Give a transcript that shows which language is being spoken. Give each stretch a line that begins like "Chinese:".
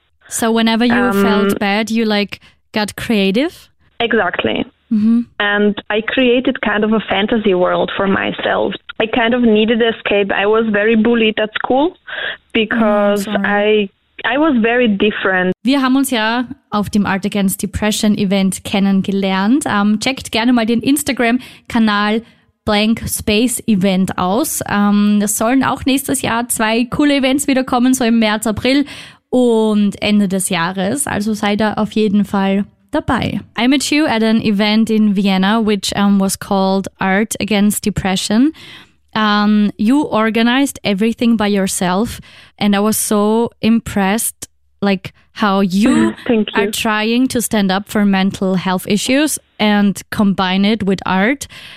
English: So whenever you felt bad, you like got creative? Exactly. Mm-hmm. And I created kind of a fantasy world for myself. I kind of needed escape. I was very bullied at school because I was very different.
German: Wir haben uns ja auf dem Art Against Depression Event kennengelernt. Checkt gerne mal den Instagram-Kanal Blank Space Event aus. Es sollen auch nächstes Jahr zwei coole Events wieder kommen, so im März, April und Ende des Jahres. Also sei da auf jeden Fall dabei.
English: I met you at an event in Vienna, which was called Art Against Depression. You organized everything by yourself, and I was so impressed, like how you are trying to stand up for mental health issues and combine it with art.